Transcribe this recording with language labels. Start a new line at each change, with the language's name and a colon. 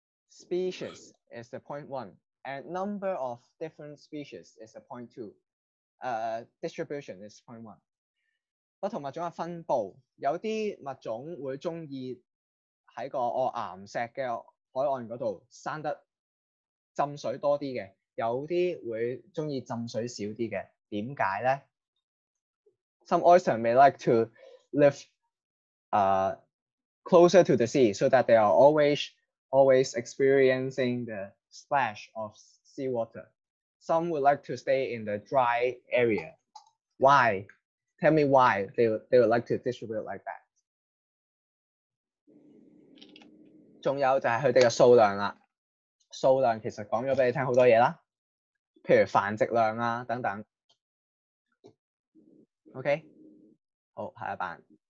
English: Species is the point one, and number of different species is the point two. Distribution is point one.
Cantonese: 不同物種嘅分布，有啲物種會中意喺個岩石嘅海岸嗰度生得浸水多啲嘅，有啲會中意浸水少啲嘅，點解咧 ？
English: Some oysters may like to live closer to the sea, so that they are always experiencing the splash of sea water. Some would like to stay in the dry area. Why? Tell me why they would like to distribute like that.
Cantonese: 仲有就係佢哋嘅數量啦。數量其實講咗俾你聽好多嘢啦，譬如繁殖量啊等等。 OK， 好，下一版。